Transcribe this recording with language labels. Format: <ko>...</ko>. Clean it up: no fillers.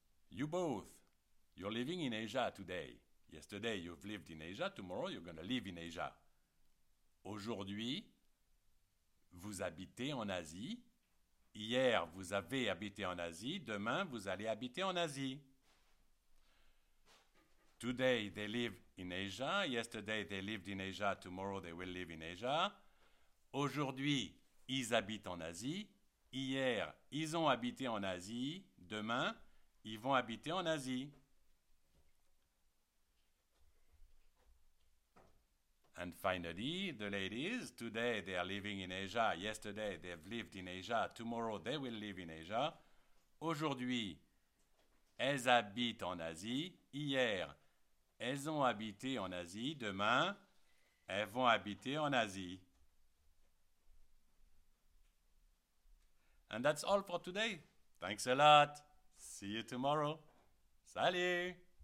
<en>You both, you're living in Asia today. Yesterday you've lived in Asia. Tomorrow you're going to live in Asia.</en> <fr>Aujourd'hui, vous habitez en Asie. Hier, vous avez habité en Asie. Demain, vous allez habiter en Asie.</fr> <en>Today, they live in Asia. Yesterday, they lived in Asia. Tomorrow, they will live in Asia.</en> <fr>Aujourd'hui, ils habitent en Asie. Hier, ils ont habité en Asie. Demain, ils vont habiter en Asie.</fr> <en>And finally, the ladies, today they are living in Asia, yesterday they've lived in Asia, tomorrow they will live in Asia.</en> <fr>Aujourd'hui, elles habitent en Asie, hier, elles ont habité en Asie, demain, elles vont habiter en Asie.</fr> <en>And that's all for today. Thanks a lot. See you tomorrow. Salut!</en>